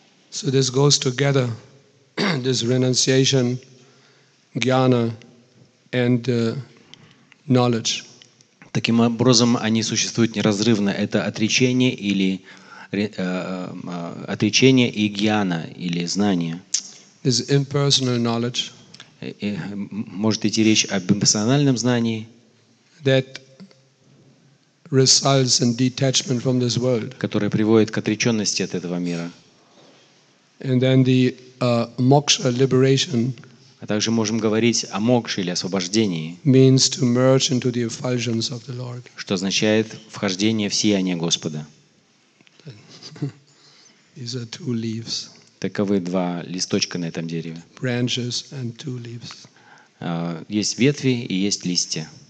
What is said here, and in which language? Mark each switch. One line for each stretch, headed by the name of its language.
English: So this goes together, this renunciation, jnana and knowledge.
Russian: Таким образом, они существуют неразрывно. Это отречение или отречение и гьяна, или знание.
English: This impersonal knowledge.
Russian: Может идти речь об имперсональном знании.
English: That results in detachment from this world.
Russian: Которое приводит к отреченности от этого мира.
English: And then the moksha, liberation.
Russian: А также можем говорить о мокше или освобождении.
English: Means to merge into the effulgence of the Lord.
Russian: Что означает вхождение в сияние Господа.
English: These are two leaves.
Russian: Таковы два листочка на этом дереве.
English: Branches and two leaves.
Russian: Есть ветви и есть листья.